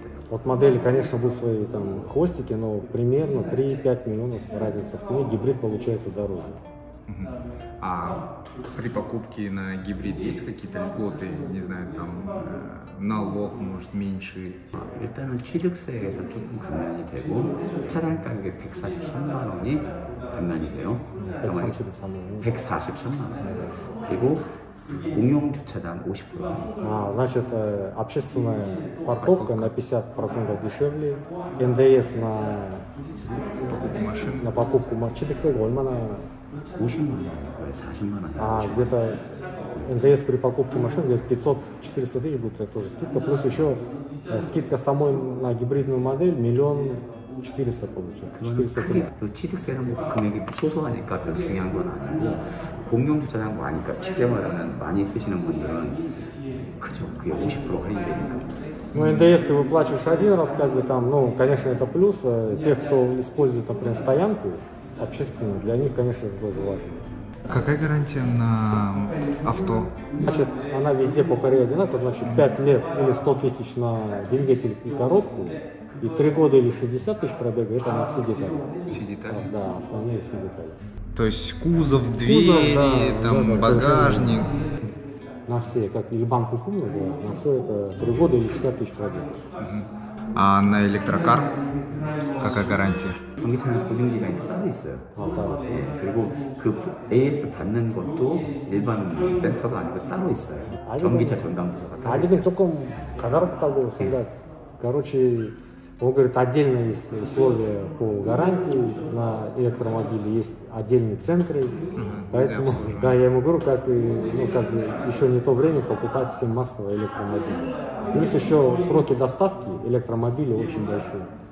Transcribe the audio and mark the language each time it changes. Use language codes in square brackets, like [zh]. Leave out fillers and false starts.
[ru] От модели, конечно, будут свои там хвостики, но примерно 3-5 миллионов разница в цене, гибрид получается дороже. А при покупке на гибрид есть какие-то льготы, не знаю, там налог может меньше? [ko] 일단은 취득세에서 조금 감면이 되고 차량 가격 143만 원이 감면이 돼요. 143만 원. 그리고 공용 주차장 50%. 아, [ru] значит, общественная парковка на 50% дешевле. НДС на покупку машин. На покупку машины [ko] 얼마나? 50만 원, 40만 원. [ru] А где-то НДС при покупке машин где-то 500-400 тысяч будет, это тоже скидка. Плюс еще скидка самой на гибридную модель 1 400 000 получается. 400 000. [ko] 취득세는 뭐 금액이 소소하니까 별로 중요한 건 아니고 공용 주차장 많으니까 쉽게 말하면 많이 쓰시는 분들은 그죠? 그게 50% 할인되니까. [ru] Ну, НДС ты выплачиваешь один раз, как бы там, ну, конечно, это плюс. Те, кто использует, например, стоянку общественную, для них, конечно, это тоже важно. Какая гарантия на авто? Значит, она везде по Корее одинаковая, значит, 5 лет или 100 тысяч на двигатель и коробку, и 3 года или 60 тысяч пробега, это на все детали. Все детали? Да, основные все детали. То есть кузов, двери, кузов, да, там, да, да, багажник? На все, как или банк Ухун называют, на все это 3 года или 60 тысяч пробега. А на электрокар какая гарантия? [ko] 전기차는 보증기간이 따로 있어요. 아, 따로 있어요. 네, 그리고 그 AS 받는 것도 일반 센터가 아니고 따로 있어요. 아직은, 전기차 전담부서가 따로 아직은 있어요. 조금 가다롭다고 생각. 네. [ru] Короче, он говорит, отдельно есть условия по гарантии на электромобиле, есть отдельные центры. Поэтому, да, я ему говорю, как, и, ну, как бы еще не то время покупать все массовые электромобили. Плюс еще сроки доставки электромобилей очень большие.